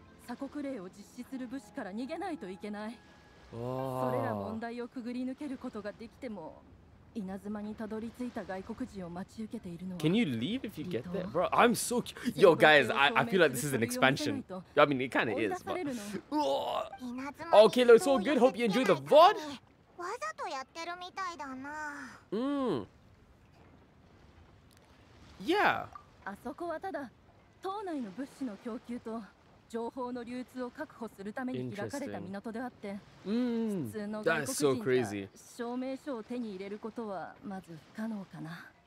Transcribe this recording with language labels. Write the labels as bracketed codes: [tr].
[ja] 鎖国令を実施する武士から逃げないといけない。それら問題をくぐり抜けることができても、稲妻にたどり着いた外国人を待ち受けているのは。 [en] Can you leave if you get there, bro? I'm so cute. Yo, guys, I feel like this is an expansion. I mean, it kind of is, but. Okay, looks all good. Hope you enjoy the VOD. [ja] わざとやってるみたいだな。うん。 [en] Yeah. [ja] あそこはただ島内の物資の供給と。情報の流通を確保するために開かれた港であって、普通の外国人が証明書を手に入れることはまず不可能かな。